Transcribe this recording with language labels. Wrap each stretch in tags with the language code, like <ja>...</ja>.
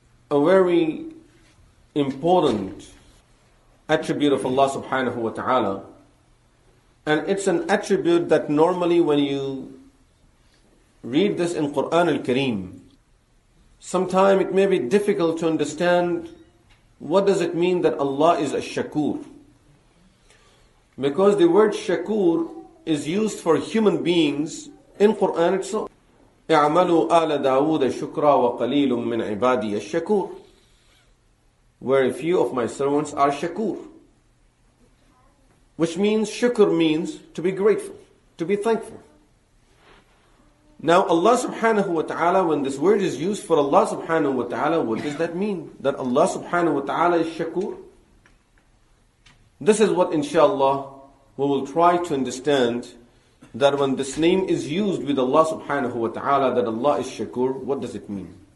<en>A very important attribute of Allah subhanahu wa ta'ala, and it's an attribute that normally when you read this in Quran al-Kareem, sometimes it may be difficult to understand what does it mean that Allah is a Shakur. Because the word Shakur is used for human beings in Quran itself.</en> <ar>اعملوا آل داود شكرا وقليل من عبادي الشكور.</ar> <en>Where a few of my servants are shakur. Which means, shukr means to be grateful, to be thankful. Now Allah subhanahu wa ta'ala, when this word is used for Allah subhanahu wa ta'ala, what does that mean? That Allah subhanahu wa ta'ala is shakur? This is what inshallah we will try to understand, that when this name is used with Allah subhanahu wa ta'ala, that Allah is shakur, what does it mean?</en>